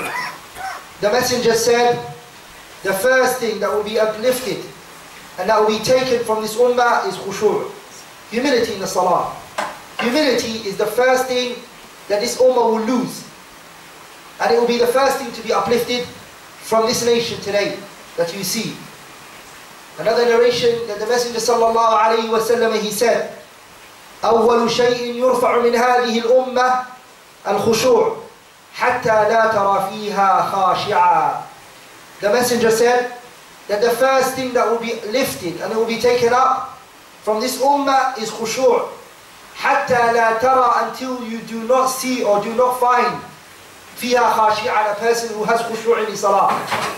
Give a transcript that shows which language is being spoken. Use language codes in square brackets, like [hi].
[en] The Messenger said, the first thing that will be uplifted and that will be taken from this ummah is khushu', humility in the salah. Humility is the first thing that this ummah will lose, and it will be the first thing to be uplifted from this nation today that you see. Another narration that the Messenger sallallahu alayhi wa sallam, he said, [ar] أول شيء يرفع من هذه الأمة الخشوع حتى لا ترى فيها خاشعة. [en] The Messenger said that the first thing that will be lifted and it will be taken up from this ummah is khushu', [ar] حتى لا ترى, [en] until you do not see or do not find [ar] فيها خاشعة, [en] a person who has khushu' in his salah.